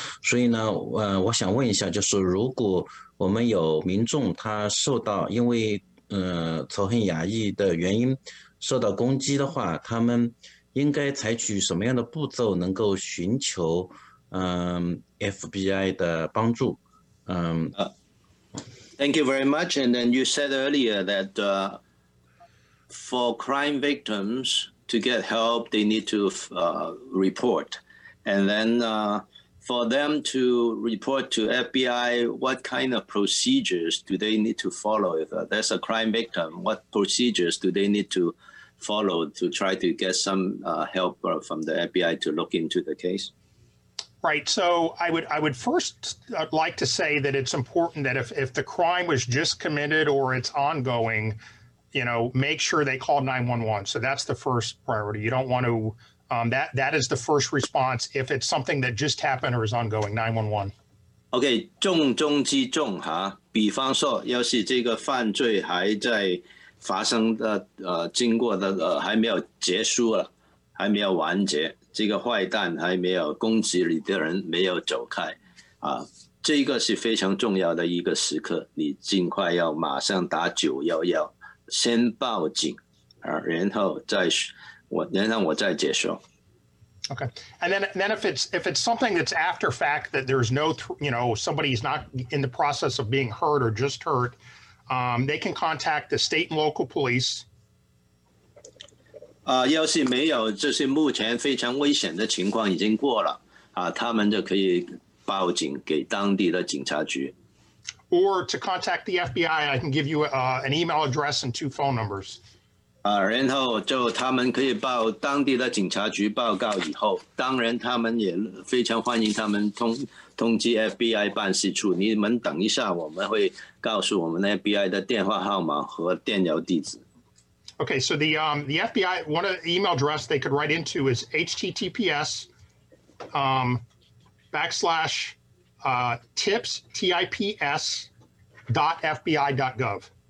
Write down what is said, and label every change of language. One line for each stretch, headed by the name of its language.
Chinese: 所以呢，我想问一下，就是如果我们有民众他受到，因为仇恨亚裔的原因受到攻击的话，他们应该采取什么样的步骤能够寻求FBI 的帮助？
English: Thank you very much. And then you said earlier that for crime victims to get help, they need to report. And then for them to report to FBI, what kind of procedures do they need to follow? If there's a crime victim, what procedures do they need to follow to try to get some help from the FBI to look into the case? Right. So I would first like to say that it's important that if the crime was just committed or it's ongoing, you know, make sure they call 911. So that's the first priority. You don't want to, that is the first response if it's something that just happened or is ongoing, 911.
Chinese: OK，重中之重哈，比方说，要是这个犯罪还在发生的，经过的，还没有结束了，还没有完结。这个坏蛋还没有攻击你的人没有走开，这个是非常重要的一个时刻，你尽快要马上打911，先报警，然后再我，然后我再接受。
English: Okay. And then if it's something that's after fact that there's no, you know, somebody's not in the process of being hurt or just hurt, they can contact the state and local police.
Chinese: 要是没有这些目前非常危险的情况已经过了，他们就可以报警给当地的警察局。
English: Or to contact the FBI, I can give you an email address and two phone numbers.
Chinese: 然后就他们可以报当地的警察局报告以后，当然他们也非常欢迎他们通知 FBI 办事处，你们等一下，我们会告诉我们 FBI 的电话号码和电邮地址。
English: Okay, so the FBI, one of the email address they could write into is https backslash tips, T-I-P-S, dot FBI.gov.